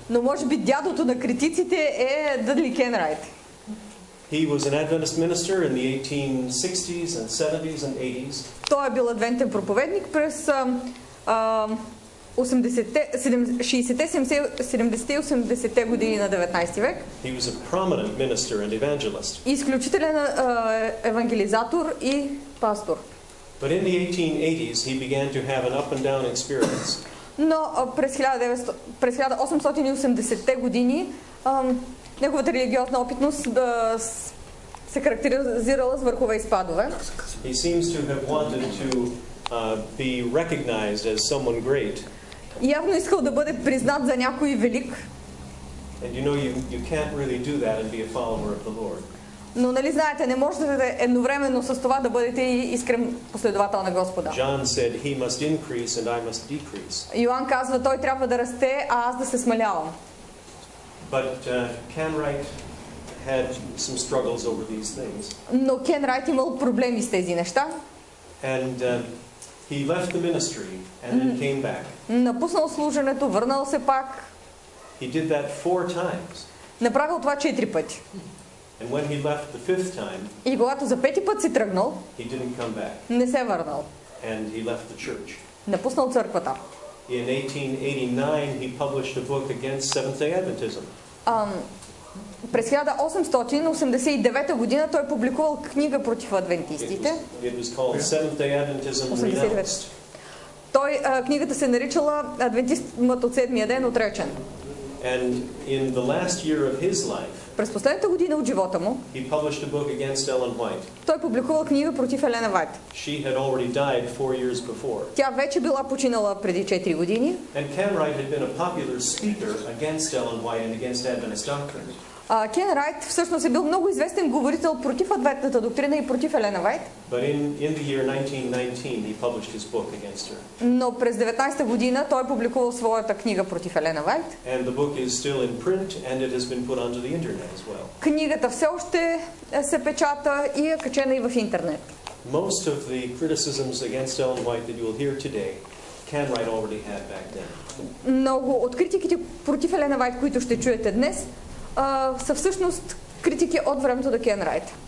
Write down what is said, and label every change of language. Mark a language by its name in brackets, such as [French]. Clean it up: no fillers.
[Bulgarian] Но може би дядото на критиците е Дъдли Кенрайт. [English] He was an Adventist minister in the 1860s and 70s and 80s. [Bulgarian] Той е бил адвентен проповедник през 70-те години на 19-ти век. [English] He was a prominent minister and evangelist. [Bulgarian] Изключителен евангелизатор и пастор. [English] But in the 1880s he began to have an up and down experience. [Bulgarian] Но през 1880-те години неговата религиозна опитност се характеризирала с върхове и спадове. [English] He seems to have wanted to be recognized as someone great. [Bulgarian] Явно искал да бъде признат за някой велик. [English] And you know you can't really do that and be a follower of the Lord. [Bulgarian] Но нали знаете, не можете да едновременно с това да бъдете и искрен последовател на Господа. [English] John said, he must increase and I must decrease. [Bulgarian] Йоан казва, той трябва да расте, а аз да се смалявам. [English] But Kenwright had some struggles over these things. [Bulgarian] Но Кенрайт имал проблеми с тези неща. [English] And he left the ministry and then came back. [Bulgarian] Напуснал служенето, върнал се пак. [English] He did that four times. [Bulgarian] Направил това 4 пъти. [English] And when he left the fifth time, [Bulgarian] и когато за пети път си тръгнал, [English] he didn't come back. [Bulgarian] Не се върнал. [English] And he left the church. [Bulgarian] Напуснал църквата. [English] In 1889, he published a book against Seventh-day Adventism. [Bulgarian] През 1889 година той публикувал книга против адвентистите. [English] It was called Seventh-day Adventism Renounced. [Bulgarian] Книгата се наричала Адвентизмът от седмия ден отречен. [English] And in the last year of his life, [Bulgarian] през последната година от живота му [English] he published a book against Ellen White. [Bulgarian] Той публикувал книга против Елена Вайт. [English] She had already died 4 years before. [Bulgarian] Тя вече била починала преди 4 години. [English] And Kenwright had been a popular speaker against Ellen White and against Adventist doctrine. [Bulgarian] Кенрайт всъщност е бил много известен говорител против адвентната доктрина и против Елена Вайт. [English] But in the year 1919 he published his book against her. [Bulgarian] Но през 19-та година той публикувал своята книга против Елена Вайт. [English] And the book is still in print and it has been put onto the internet as well. [Bulgarian] Книгата все още се печата и е качена и в интернет. [English] Most of the criticisms against Ellen White that you will hear today Kenwright already had back then. [Bulgarian] Много от критиките против Елена Вайт, които ще чуете днес, са всъщност критики от времето на Кенрайт.